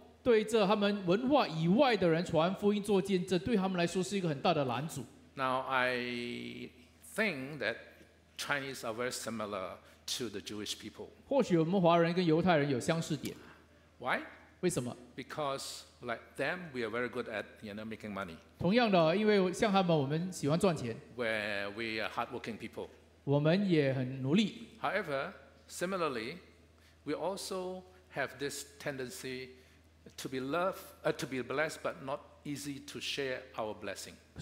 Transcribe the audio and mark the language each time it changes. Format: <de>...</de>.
<zh>对这他们文化以外的人传福音做见证，对他们来说是一个很大的拦阻。</zh> <en>Now I think that Chinese are very similar to the Jewish people.</en> <zh>或许我们华人跟犹太人有相似点。</zh> <en>Why?</en> <zh>为什么？</zh> <en>Because like them, we are very good at making money.</en> <zh>同样的，因为像他们，我们喜欢赚钱。</zh> <en>Where we are hardworking people.</en> <zh>我们也很努力。</zh> <en>However, similarly, we also have this tendency. To be blessed, but not easy to share our blessing.</en>